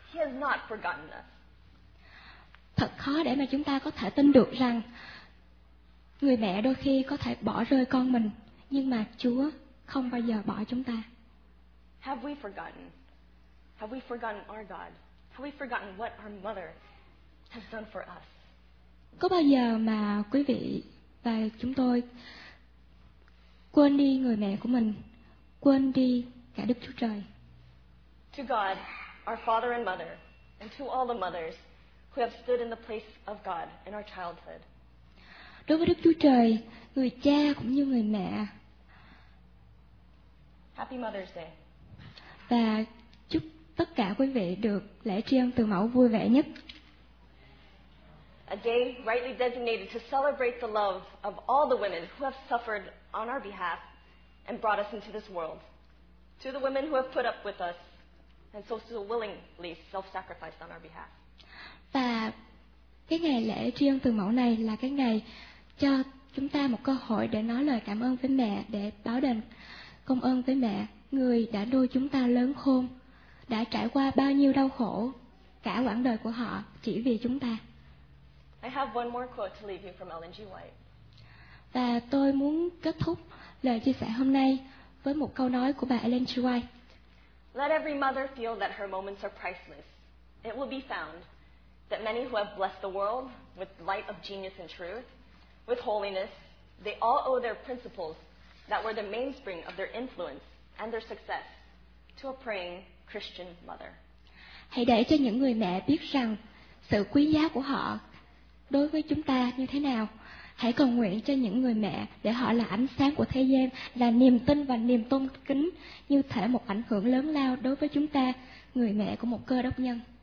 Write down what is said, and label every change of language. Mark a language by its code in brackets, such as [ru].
[en] He has not forgotten us. [vi] Thật khó để mà chúng ta có thể tin được rằng người mẹ đôi khi có thể bỏ rơi con mình, nhưng mà Chúa không bao giờ bỏ chúng ta. [en] Have we forgotten? Have we forgotten our God? Have we forgotten what our mother has done for us? [vi] Có bao giờ mà quý vị và chúng tôi quên đi người mẹ của mình, quên đi cả Đức Chúa Trời? [en] To God, our father and mother, and to all the mothers who have stood in the place of God in our childhood. [vi] Đối với Đức Chúa Trời, người cha cũng như người mẹ. [en] Happy Mother's Day. [vi] Và chúc tất cả quý vị được lễ tri ân từ mẫu vui vẻ nhất. [en] A day rightly designated to celebrate the love of all the women who have suffered on our behalf and brought us into this world. To the women who have put up with us and so willingly self-sacrificed on our behalf. [vi] Và cái ngày lễ tri ân từ mẫu này là cái ngày cho chúng ta một cơ hội để nói lời cảm ơn với mẹ, để báo đền công ơn với mẹ, người đã nuôi chúng ta lớn khôn, đã trải qua bao nhiêu đau khổ cả quãng đời của họ chỉ vì chúng ta. [en] I have one more quote to leave you from Ellen G. White. [vi] Và tôi muốn kết thúc lời chia sẻ hôm nay với một câu nói của bà Ellen G. White. [en] Let every mother feel that her moments are priceless. It will be found that many who have blessed the world with light of genius and truth, with holiness, they all owe their principles that were the mainspring of their influence and their success to a praying Christian mother. [vi] Hãy để cho những người mẹ biết rằng sự quý giá của họ đối với chúng ta như thế nào. Hãy cầu nguyện cho những người mẹ để họ là ánh sáng của thế gian, là niềm tin và niềm tôn kính, như thể một ảnh hưởng lớn lao đối với chúng ta, người mẹ của một cơ đốc nhân.